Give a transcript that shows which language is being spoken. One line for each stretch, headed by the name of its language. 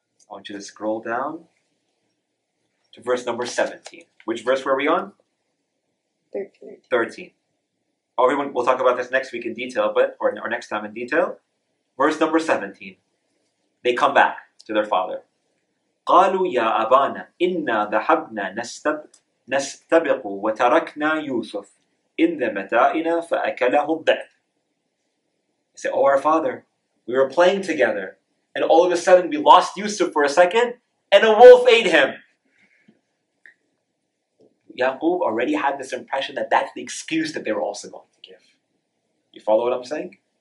English: I want you to scroll down to verse number 17. Which verse were we on? 13. Everyone, we'll talk about this next week in detail, but or next time in detail. Verse number 17. They come back to their father.
Arabic: قالوا يا أبانا إنا ذهبنا نستبق وتركنا يوسف إن متاعنا فأكله الذئب.
English: They say, oh, our father, we were playing together, and all of a sudden we lost Yusuf for a second, and a wolf ate him. Yaqub already had this impression that that's the excuse that they were also going to give. You follow what I'm saying?